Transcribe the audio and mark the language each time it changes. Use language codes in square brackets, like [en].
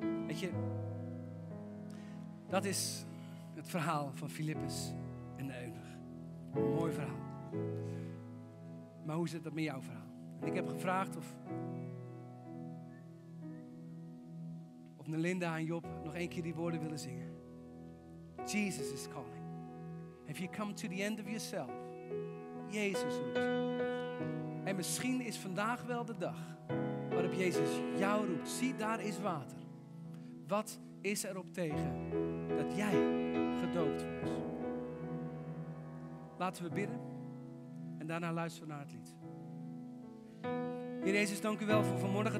[nl] Weet je, dat is het verhaal van Filippus en de eunuch. Mooi verhaal. Maar hoe zit dat met jouw verhaal? En ik heb gevraagd of Nelinda en Job nog één keer die woorden willen zingen. [en] Jesus is calling. Have you come to the end of yourself? [nl] Jezus roept. En misschien is vandaag wel de dag waarop Jezus jou roept. Zie, daar is water. Wat is er op tegen dat jij gedoopt wordt? Laten we bidden. En daarna luisteren we naar het lied. Heer Jezus, dank u wel voor vanmorgen.